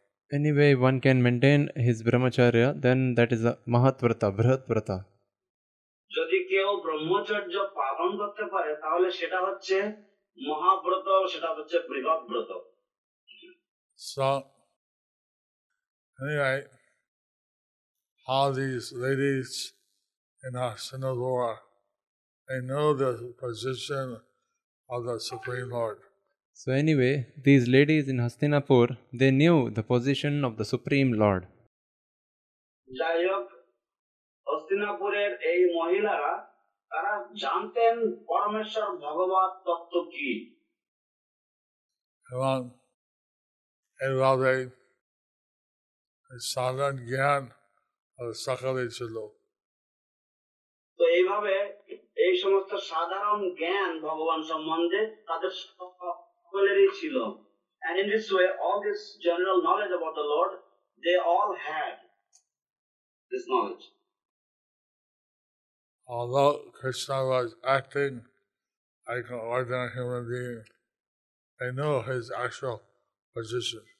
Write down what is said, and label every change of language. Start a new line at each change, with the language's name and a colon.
English: Anyway, one can maintain his brahmacharya, then that is a mahatvrata, brahatvrata.
Bangla: যদি কেউ ব্রহ্মচর্য পালন করতে পারে তাহলে সেটা হচ্ছে মহাব্রত, সেটা হচ্ছে বৃহৎ ব্রত.
English: So, anyway, how these ladies in Hastinapura, they know the position of the Supreme Lord. So anyway, these ladies in Hastinapur, they knew the position of the Supreme Lord.
Bangla: হস্তিনাপুরের এই মহিলারা তারা জানতেন পরমেশ্বর ভগবত তত্ত্ব কি এবং এভাবে সাধারণ জ্ঞান সকলে ছিল. তো এইভাবে এই সমস্ত সাধারণ জ্ঞান ভগবান সম্বন্ধে তাদের সকলেরই ছিল.
English: And in this way, all this general knowledge about the Lord, they all had this knowledge. Although Krishna was acting like an ordinary human being, they knew his actual position.